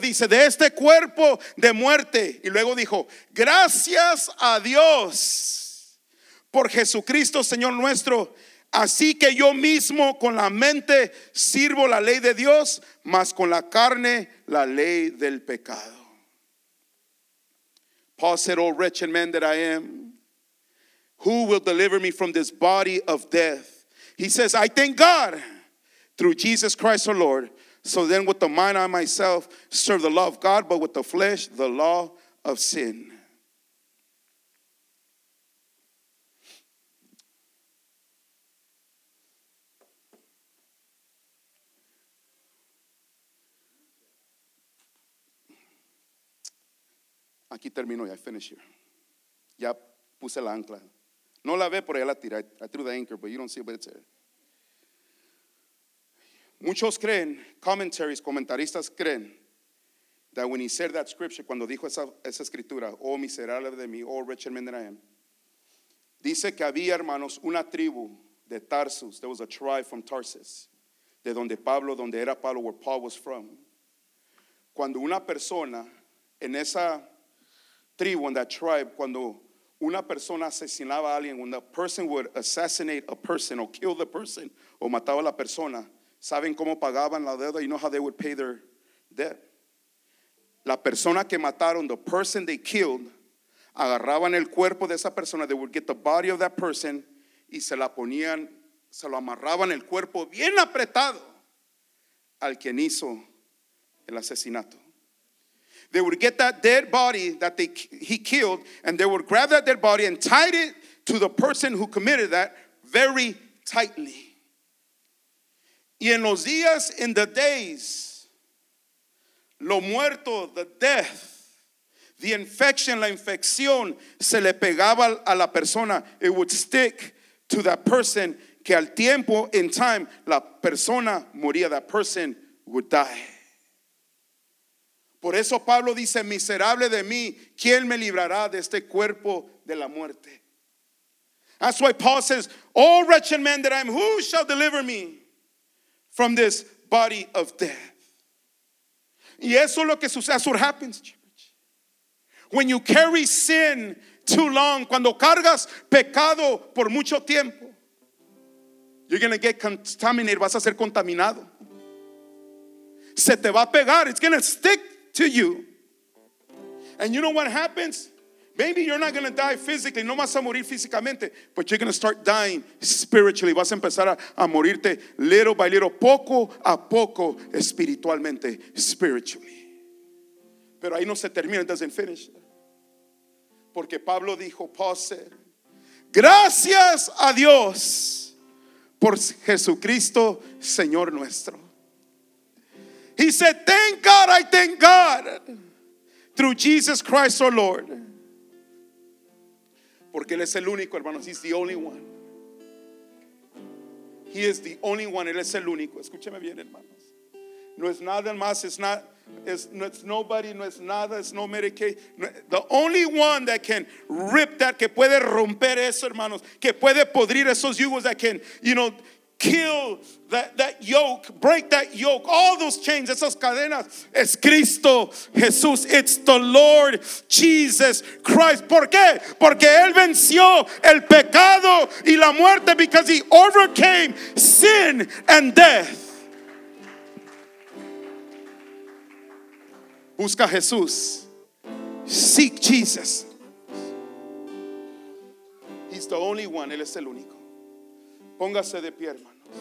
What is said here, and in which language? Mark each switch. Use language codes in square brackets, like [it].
[es] Dice, de este cuerpo de muerte. Y luego dijo, gracias a Dios por Jesucristo Señor nuestro. Así que yo mismo con la mente sirvo la ley de Dios, mas con la carne la ley del pecado. [en] Paul said, oh wretched man that I am, who will deliver me from this body of death? He says, I thank God through Jesus Christ our Lord. So then with the mind I myself serve the law of God, but with the flesh, the law of sin. [es] Aquí termino, [en] I finish here. [es] Ya puse la ancla. No la ve, pero ya la tira. [en] I threw the anchor, but you don't see it, but it's there. [es] Muchos creen, commentaries, comentaristas creen, [en] that when he said that scripture, [es] cuando dijo esa escritura, oh miserable de mí, [en] oh wretched man that I am, [es] dice que había, hermanos, una tribu de Tarsus. [en] There was a tribe from Tarsus, [es] de donde Pablo, donde era Pablo, [en] where Paul was from. [es] Cuando una persona en esa tribu, en [en] that tribe, [es] cuando una persona asesinaba a alguien, [en] when the person would assassinate a person or kill the person, [es] o mataba a la persona, ¿saben cómo pagaban la deuda? [en] You know how they would pay their debt. [es] La persona que mataron, [en] the person they killed, [es] agarraban el cuerpo de esa persona, [en] they would get the body of that person, [es] y se la ponían, se lo amarraban el cuerpo bien apretado al quien hizo el asesinato. [en] They would get that dead body that he killed, and they would grab that dead body and tie it to the person who committed that very tightly. [es] Y en los días, [en] in the days, [es] lo muerto, [en] the death, the infection, [es] la infección, se le pegaba a la persona. [en] It would stick to that person, [es] que al tiempo, [en] in time, [es] la persona moría, [en] that person would die. [es] Por eso Pablo dice, miserable de mí, ¿quién me librará de este cuerpo de la muerte? [en] That's why Paul says, oh wretched man that I am, who shall deliver me from this body of death? [es] Y eso es lo que sucede, [en] that's what happens. When you carry sin too long, [es] cuando cargas pecado por mucho tiempo, [en] you're going to get contaminated, [es] vas a ser contaminado. se te va a pegar. [en] It's going to stick to you. And you know what happens? Maybe you're not going to die physically. [es] No vas a morir físicamente. [en] But you're going to start dying spiritually. [es] Vas a empezar a morirte [en] little by little, [es] poco a poco, espiritualmente, [en] spiritually. [es] Pero ahí no se termina. [en] It doesn't finish. [es] Porque Pablo dijo, [en] Paul said, [es] gracias a Dios por Jesucristo, Señor nuestro. [en] He said, thank God, I thank God through Jesus Christ our Lord. [es] Porque Él es el único, hermanos. [en] He's the only one. He is the only one. [es] Él es el único. Escúcheme bien, hermanos. No es nada más. [en] It's nobody. [es] No es nada. [en] It's no Medicaid. The only one that can rip that. [es] Que puede romper eso, hermanos. Que puede podrir esos yugos. [en] That can, you know, kill that yoke. Break that yoke. All those chains. [es] Esas cadenas. Es Cristo Jesús. [en] It's the Lord Jesus Christ. [es] ¿Por qué? Porque Él venció el pecado y la muerte. [en] Because He overcame sin and death. [es] Busca a Jesús. [en] Seek Jesus. He's the only one. [es] Él es el único. Póngase de pie, hermano.